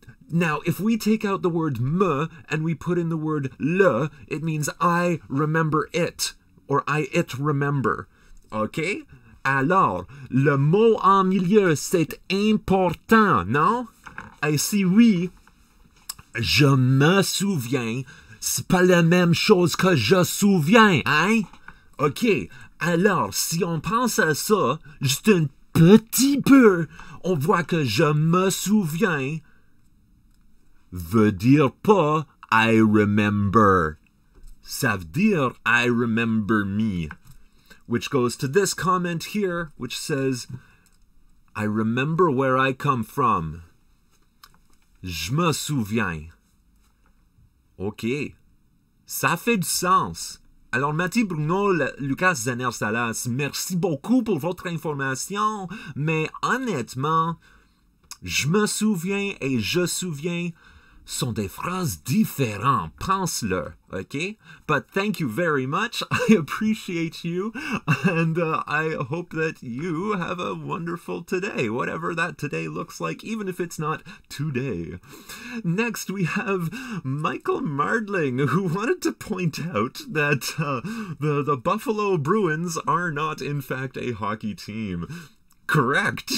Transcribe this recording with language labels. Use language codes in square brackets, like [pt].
[en] Now, if we take out the word me and we put in the word le, it means I remember it or I it remember. Okay? [fr] Alors, le mot en milieu, c'est important, non? Et si oui, je me souviens. C'est pas la même chose que je souviens, hein? OK, alors, si on pense à ça, juste un petit peu, on voit que je me souviens veut dire pas [en] I remember. [fr] Ça veut dire [en] I remember me. Which goes to this comment here, which says, I remember where I come from. [fr] Je me souviens. OK. Ça fait du sens. Alors, Mathieu Bruno, Lucas Zaner Salas, merci beaucoup pour votre information. Mais honnêtement, je me souviens et je souviens sont des phrases différentes. Pense-le, [en] OK? But thank you very much. I appreciate you. And I hope that you have a wonderful today, whatever that today looks like, even if it's not today. Next, we have Michael Mardling, who wanted to point out that the Buffalo Bruins are not, in fact, a hockey team. Correct.